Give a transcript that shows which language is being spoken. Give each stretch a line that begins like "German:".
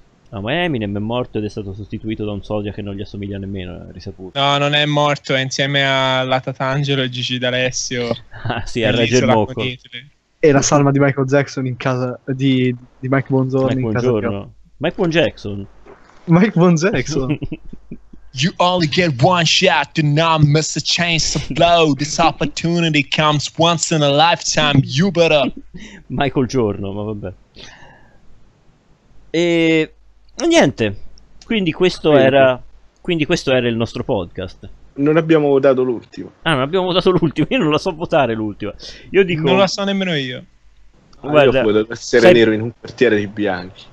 Italian: No, ma Eminem è morto ed è stato sostituito da un soldier che non gli assomiglia nemmeno, è risaputo. No, non è morto, è insieme alla Tatangelo e Gigi D'Alessio. Ah, sì, a Reggio Moco. E la salma di Michael Jackson in casa di Mike Bonzone. Mike Bonzone. Mike Bonjackson. Mike Bonjackson.
English: You only get one shot, do not miss a chance to blow. This opportunity comes once in a lifetime, you better.
Italian: Michael Giorno, ma vabbè. E... niente, quindi questo era il nostro podcast. Non abbiamo votato l'ultimo. Ah, non abbiamo votato l'ultimo, io non la so votare l'ultima. Io dico... non la so nemmeno io. Guarda, io voto essere nero in un quartiere di bianchi.